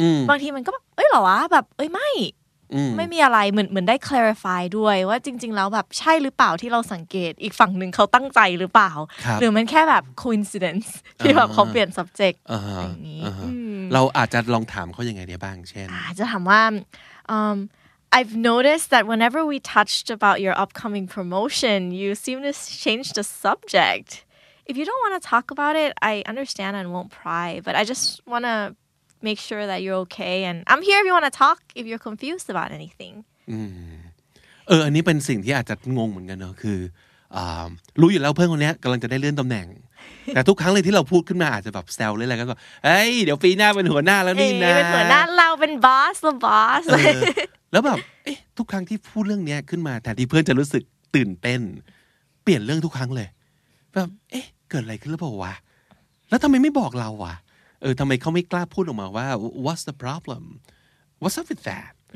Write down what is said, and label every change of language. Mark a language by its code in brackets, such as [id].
[th] บางทีมันก็เอ้ยเหรอวะแบบเอ้ยไม่มีอะไรเหมือนได้ clarify ด้วยว่าจริงๆแล้วแบบใช่หรือเปล่าที่เราสังเกตอีกฝั่งหนึ่งเขาตั้งใจหรือเปล่าหรือมันแค่แบบ coincidence ที่แบบเขาเปลี่ยน subject อย่ างนี้เราอาจจะลองถามเขายังไงเนี่ยบ้างเช่น จะถามว่า [en] I've noticed that whenever we touched about your upcoming promotion, you seem to change the subject. If you don't want to talk about it, I understand and won't pry, but I just want to make sure that you're okay. And I'm here if you want to talk, if you're confused about anything. [th] อันนี้เป็นสิ่งที่อาจจะงงเหมือนกันเนาะคือรู้อยู่แล้วเพื่อนคนนี้กำลังจะได้เลื่อนตำแหน่งแต่ทุกครั้งเลยที่เราพูดขึ้นมาอาจจะแบบแซวเล่นๆก็เฮ้ยเดี๋ยวปีหน้าเป็นหัวหน้าแล้วนี่นะ เป็นหัวหน้าเราเป็นบอสละบอส แล้วแบบทุกครั้งที่พูดเรื่องนี้ขึ้นมาแทนที่เพื่อนจะรู้สึกตื่นเต้นเปลี่ยนเรื่องทุกครั้งเลยแบบเกิดอะไรขึ้นหรือเปล่าวะแล้วทำไมไม่บอกเราวะทำไมเขาไม่กล้าพูดออกมาว่า [en] what's the problem what's up with that